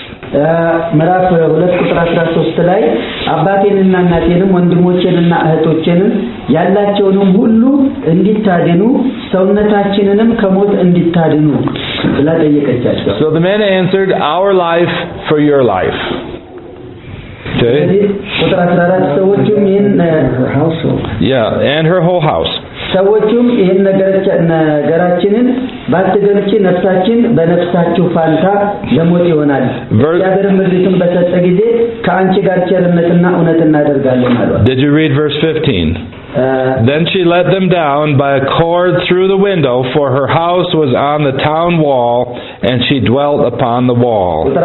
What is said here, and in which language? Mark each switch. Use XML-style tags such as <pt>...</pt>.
<en>So the men answered, our life for your life. Okay. Her household. Yeah, and her whole house.</en> <am>ሰዎችም ይሄን ነገራችንን ባትገልጪ ነፍሳችን በነፍሳችሁ ፋንታ ለሞት ይሆናል ያደረም ምድርቱን በሰጠ ጊዜ ከአንቺ ጋር ቸርነትና እውነት እናደርጋለን አለው.</am> <en>Did you read verse 15? Then she let them down by a cord through the window, for her house was on the town wall, and she dwelt upon the wall.</en>